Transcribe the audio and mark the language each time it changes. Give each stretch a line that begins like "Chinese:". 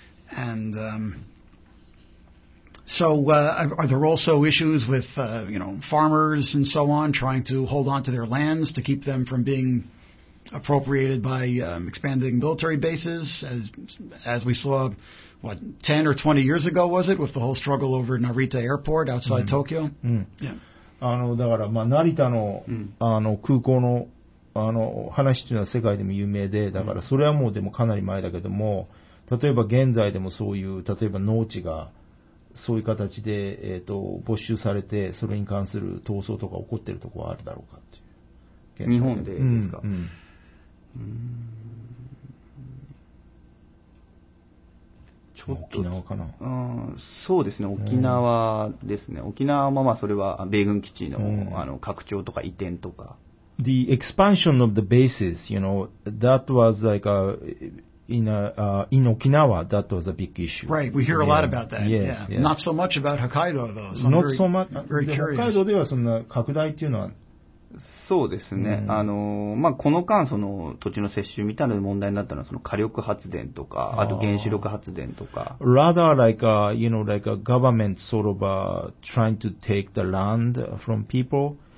English: And, So, are there also issues with, farmers and so on trying to hold on to their lands to keep them from being appropriated by expanding military bases, as we saw, 10 or 20 years ago, was it, with the whole struggle over Narita Airport outside mm-hmm. Tokyo?
Japanese: Mm-hmm. Yeah. だから、まあ、Narita の、mm-hmm. 空港の、話というのは世界でも有名で、だからそれはもうでもかなり前だけども、例えば現在でもそういう、例えば農地が、そういう形で、没収されて、それに関する闘争とか起こっているところはあるだろうかっていう。日本でですか、うんうん、ちょっと沖縄かな、うん、そうですね、沖縄ですね、沖縄もまあそれは米軍基地 の、うん、拡張とか移転とか。
English: The expansion of the bases, you know, that was like a... In Okinawa, that was a big issue. Right, we hear a lot about that. Yes, yeah. Yes. Not so much about Hokkaido, though. So Not very, so much. Very curious.
Japanese: Hokkaido ではそんな拡大っていうのは、そうですね。Mm. まあこの間その土地の接収みたいな問題になったのはその火力発電とか、あと原子力発電とか。
English: Rather like a, like a government sort of trying to take the land from people,